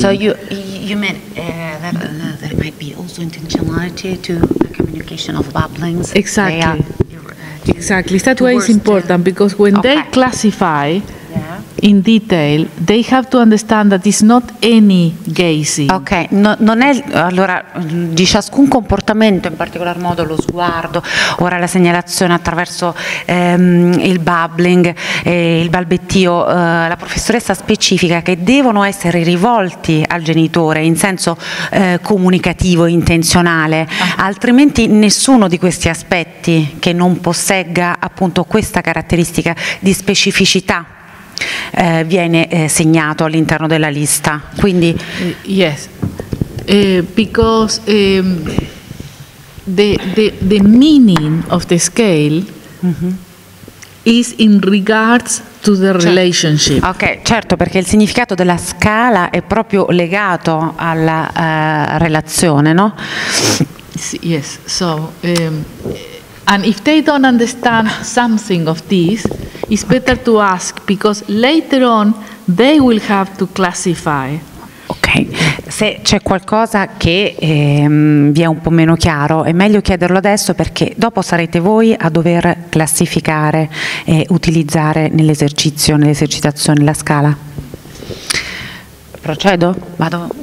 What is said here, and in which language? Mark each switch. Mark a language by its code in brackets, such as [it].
[en] So you mean that there might be also intentionality to the communication of bubblings? Exactly. Exactly. That way is important because when they classify in detail, they have to understand that it's not any gazing. [it] Ok, no, non è allora di ciascun comportamento, in particolar modo lo sguardo, ora la segnalazione attraverso il bubbling, il balbettio. La professoressa specifica che devono essere rivolti al genitore in senso comunicativo, intenzionale, altrimenti nessuno di questi aspetti che non possegga appunto questa caratteristica di specificità viene segnato all'interno della lista. Quindi [en] yes. Because the meaning of the scale is in regards to the relationship. [it] Ok, certo, perché il significato della scala è proprio legato alla relazione, no? [en] Yes. So and if they don't understand something of this, it's better to ask, because later on they will have to classify. [it] Ok, se c'è qualcosa che vi è un po' meno chiaro, è meglio chiederlo adesso, perché dopo sarete voi a dover classificare e utilizzare nell'esercizio, nell'esercitazione, la scala. Procedo? Vado?